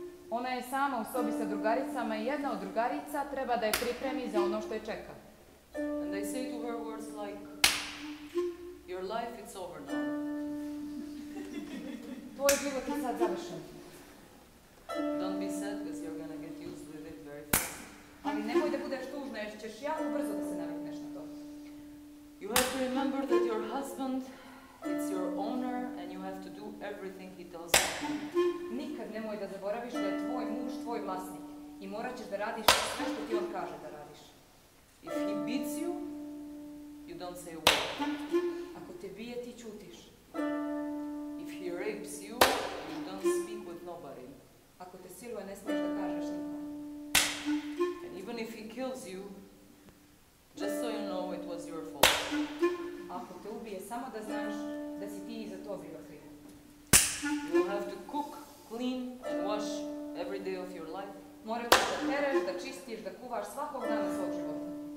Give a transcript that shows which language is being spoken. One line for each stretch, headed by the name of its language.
Serbian: Ona je sama u sobi sa drugaricama i jedna od drugarica treba da je pripremi za ono što je čeka.
English: And they say to her words like, your life is over now.
Serbian: Tvoj život je sad završen.
English: Don't be sad because you're gonna get used with it very fast.
Serbian: Ali nemoj da budeš tužna jer ćeš jako brzo da se navikneš.
English: You have to remember that your husband is your owner and you have to do everything he tells you.
Serbian: Nikad nemoj da zaboraviš da je tvoj muž tvoj vlasnik i morat ćeš da radiš sve što ti on kaže da radiš.
English: If he beats you, you don't say a word.
Serbian: Ako te bije, ti ćutiš.
English: If he rapes you, you don't speak with nobody.
Serbian: Ako te siluje, ne smiješ da kažeš nikom.
English: And even if he kills you, just so you know, it was your fault.
Serbian: Ako te ubije, samo da znaš da si ti iza to bio kriv.
English: You will have to cook, clean and wash every day of your life.
Serbian: Morat ćeš da pereš, da čistiš, da kuvaš svakog dana svog života.